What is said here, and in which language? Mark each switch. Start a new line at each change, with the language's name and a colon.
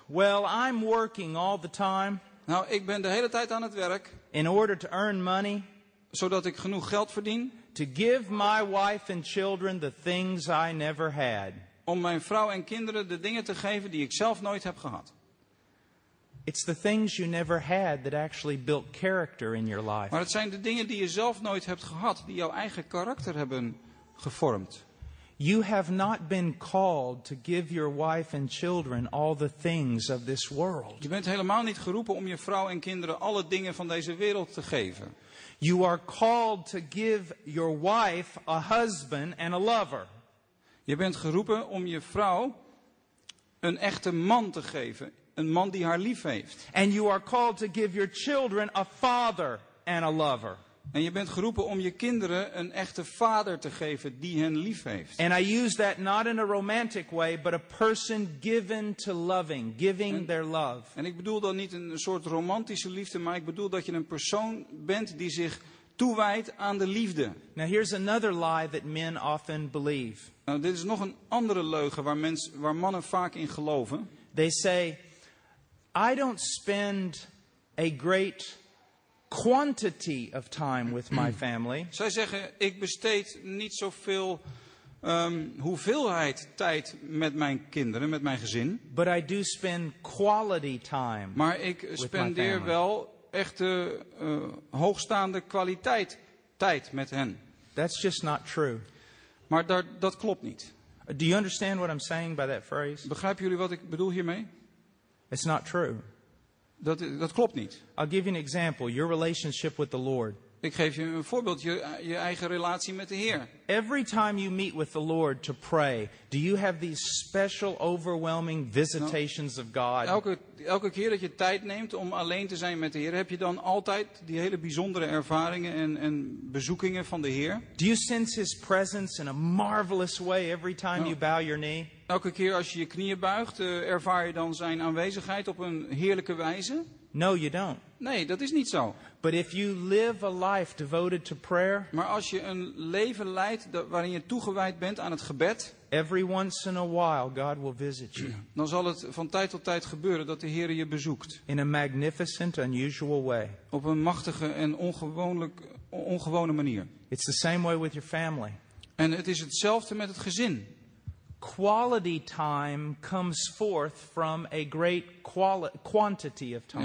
English: Well, I'm working all the time.
Dutch: Nou, ik ben de hele tijd aan het werk.
English: In order to earn money.
Dutch: Zodat ik genoeg geld verdien.
English: To give my wife and children the things I never had.
Dutch: Om mijn vrouw en kinderen de dingen te geven die ik zelf nooit heb gehad.
English: It's the things you never had that actually built character in your life.
Dutch: Maar het zijn de dingen die je zelf nooit hebt gehad, die jouw eigen karakter hebben gevormd.
English: You have not been called to give your wife and children all the things of this world.
Dutch: Je bent helemaal niet geroepen om je vrouw en kinderen alle dingen van deze wereld te geven.
English: You are called to give your wife a husband and a lover.
Dutch: Je bent geroepen om je vrouw een echte man te geven. Een man die haar lief heeft.
English: And you are called to give your children a father and a lover.
Dutch: En je bent geroepen om je kinderen een echte vader te geven die hen lief heeft.
English: And I use that not in a romantic way, but a person given to loving, giving their love.
Dutch: En ik bedoel dan niet een soort romantische liefde, maar ik bedoel dat je een persoon bent die zich toewijdt aan de liefde.
English: Now here's another lie that men often believe.
Dutch: Nou, dit is nog een andere leugen waar mannen vaak in geloven.
English: They say, I don't spend a great quantity of time with my family.
Dutch: Zij zeggen, ik besteed niet zoveel hoeveelheid tijd met mijn kinderen, met mijn gezin.
English: But I do spend quality time.
Dutch: Maar ik spendeer wel echte hoogstaande kwaliteit tijd met hen.
English: That's just not true.
Dutch: Maar dat klopt niet.
English: Do you understand what I'm saying by that phrase?
Dutch: Begrijpen jullie wat ik bedoel hiermee?
English: It's not true.
Dutch: Dat klopt niet.
English: I'll give you an example. Your relationship with the Lord.
Dutch: Ik geef je een voorbeeld, je eigen relatie met de Heer.
English: Every time you meet with the Lord to pray, do you have these special overwhelming visitations of God?
Dutch: Elke keer dat je tijd neemt om alleen te zijn met de Heer, heb je dan altijd die hele bijzondere ervaringen en bezoekingen van de Heer?
English: Do you sense his presence in a marvelous way every time you bow your knee?
Dutch: Elke keer als je je knieën buigt, ervaar je dan zijn aanwezigheid op een heerlijke wijze?
English: No, you don't.
Dutch: Nee, dat is niet zo.
English: But if you live a life devoted to prayer,
Dutch: maar als je een leven leidt waarin je toegewijd bent aan het gebed,
English: every once in a while God will visit you.
Dutch: Dan zal het van tijd tot tijd gebeuren dat de Heer je bezoekt.
English: In a magnificent, unusual way.
Dutch: Op een machtige en ongewone manier.
English: It's the same way with your family.
Dutch: En het is hetzelfde met het gezin.
English: Quality time comes forth from a great quantity of time.